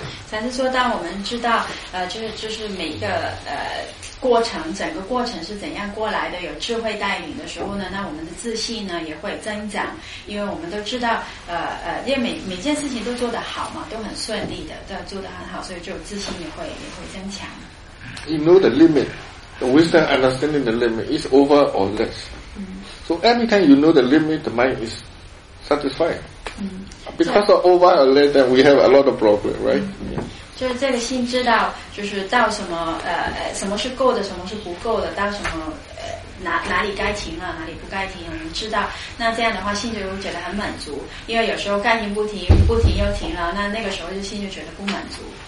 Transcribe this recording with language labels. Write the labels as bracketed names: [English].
[Chinese] 但是说当我们知道就是每一个过程，整个过程是怎样过来的，有智慧带领的时候呢，那我们的自信呢也会增长，因为我们都知道因为每件事情都做得好嘛，都很顺利的，都做得很好，所以就自信也会增强。 [English] You know the limit, the wisdom understanding the limit is over or less. So anytime you know the limit, the mind is satisfied. Because of over or less, then we have a lot of problem, right? [Chinese] 就是这个心知道，就是到什么什么是够的，什么是不够的，到什么哪里该停了，哪里不该停，我们知道。那这样的话，心就会觉得很满足，因为有时候该停不停，不停又停了，那个时候就心就觉得不满足。